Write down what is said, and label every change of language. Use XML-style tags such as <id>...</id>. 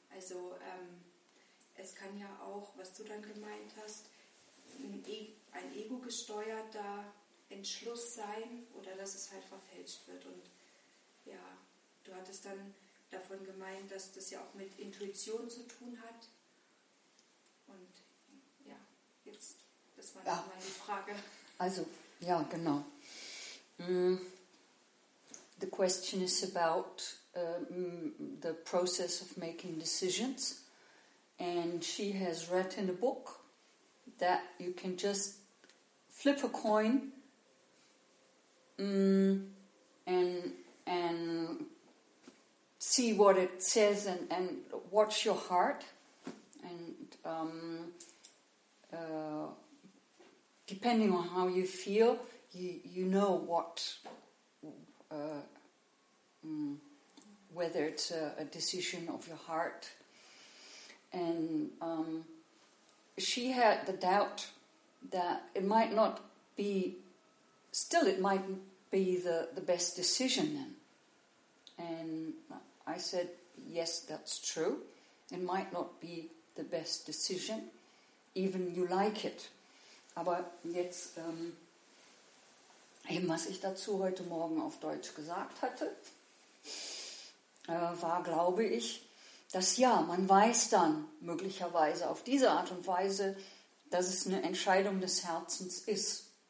<de>Also es kann ja auch, was du dann gemeint hast, ein ego-gesteuerter Entschluss sein oder dass es halt verfälscht wird. Und ja, du hattest dann davon gemeint, dass das ja auch mit Intuition zu tun hat. Und ja, jetzt, das war ja meine Frage. Also, ja, genau.</de> <en>The question is about the process of making decisions, and she has read in a book that you can just flip a coin and see what it says and watch your heart, and depending on how you feel, you know what whether it's a decision of your heart. And she had the doubt that it might not be, still it might be the best decision then. And I said, yes, that's true. It might not be the best decision, even you like it.</en> <de>Aber jetzt eben, was ich dazu heute Morgen auf Deutsch gesagt hatte, war, glaube ich, dass ja, man weiß dann möglicherweise auf diese Art und Weise, dass es eine Entscheidung des Herzens ist.</de>